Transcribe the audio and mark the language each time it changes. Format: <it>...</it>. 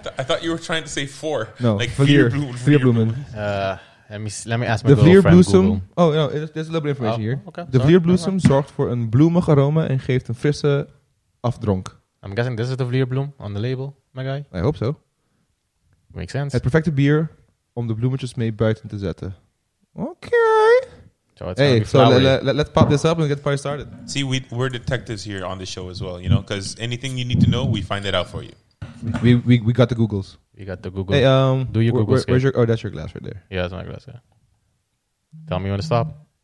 <en>I thought you were trying to say four. No, like Vlierbloemen. Let me ask my the Vlierbloesem. Oh no, there's a little bit of information here. Okay,</en> <nl>the Vlierbloesem zorgt voor een bloemig aroma en geeft een frisse afdronk.</nl> <en>I'm guessing this is the Vlierbloem on the label, my guy. I hope so. Makes sense.</en> <nl>Het perfecte bier om de bloemetjes mee buiten te zetten.</nl> <en>Okay. So let's pop this up and get the party started. See, we're detectives here on the show as well, you know, because anything you need to know, we find it out for you. We got the Googles. We got the Googles. Hey, do your Googles. That's your glass right there. Yeah, that's my glass. Yeah. Tell me when to stop.</en>